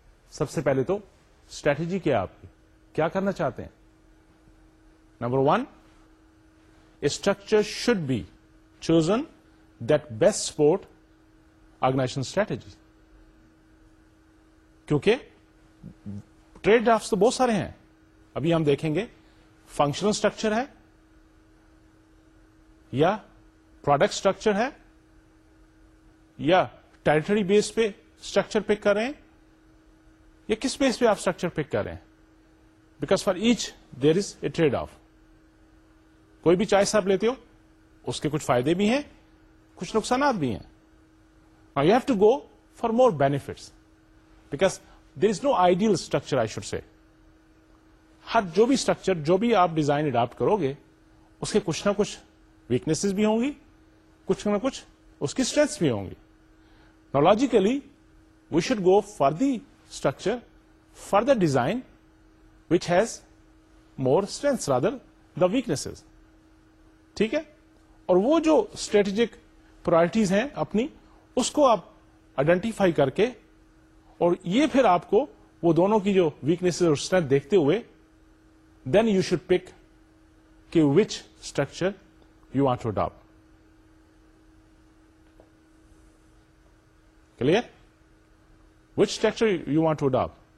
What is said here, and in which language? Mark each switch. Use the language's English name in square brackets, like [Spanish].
[Urdu] Sabse pehle to strategy kya hai aapki, kya karna chahte hain? [English] Number one, a structure should be chosen that best support organization strategy, [Urdu] kyunki trade drafts to bahut sare hain. Abhi hum dekhenge functional structure hai یا product structure ہے یا territory بیس پہ structure پک کر رہے ہیں یا کس بیس پہ آپ اسٹرکچر پک کر رہے ہیں, [English] Because for each there is a trade off. [Urdu] کوئی بھی چوائس آپ لیتے ہو اس کے کچھ فائدے بھی ہیں کچھ نقصانات بھی ہیں. [English] Now you have to go for more benefits because there is no ideal structure, I should say. [Urdu] ہر جو بھی اسٹرکچر جو بھی آپ ڈیزائن اڈاپٹ کرو گے اس کے کچھ نہ کچھ ویکنیسز بھی ہوں گی کچھ نہ کچھ اس کی اسٹرینتھس بھی ہوں گی. [English] Now logically we should go for the structure, for the design which has more strengths rather the weaknesses. [Urdu] ٹھیک ہے, اور وہ جو اسٹریٹجک پرائرٹیز ہیں اپنی اس کو آپ آئیڈینٹیفائی کر کے اور یہ پھر آپ کو وہ دونوں کی جو ویکنیسز اور اسٹرینتھ دیکھتے ہوئے [English] then you should pick [Urdu] کہ [English] Which structure you want to adopt. Clear, which structure you want to adopt.